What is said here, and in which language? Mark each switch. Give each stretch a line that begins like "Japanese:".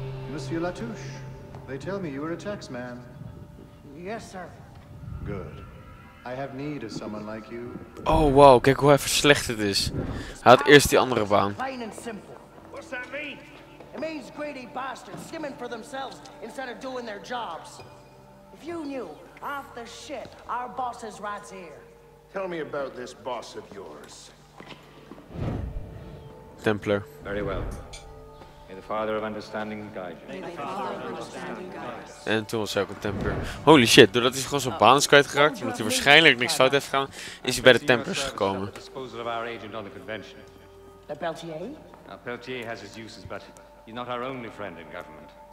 English: Monsieur Latouche, they tell me you are a tax man. Yes, sir. Good. I have need of someone like you.
Dutch: Oh wow, kijk hoe even slecht het is. Hij had eerst die andere baan.
English: Plain and simple. What's that mean? It means greedy bastards skimming for themselves instead of doing their jobs. If you knew half the shit, our boss is right here. Tell me about this boss of yours. Templar. Very well. May the father of understanding guide you. May the father of understanding guide
Dutch: us. En toen was hij ook een temper.
English: Holy shit,
Dutch: doordat hij gewoon zijn baan is kwijtgeraakt, omdat hij waarschijnlijk niks fout heeft gedaan, is hij bij de tempers gekomen.
English: Disposal of our agent on the convention. Le Peltier? Now Peltier has his uses, but he's not our only friend in government.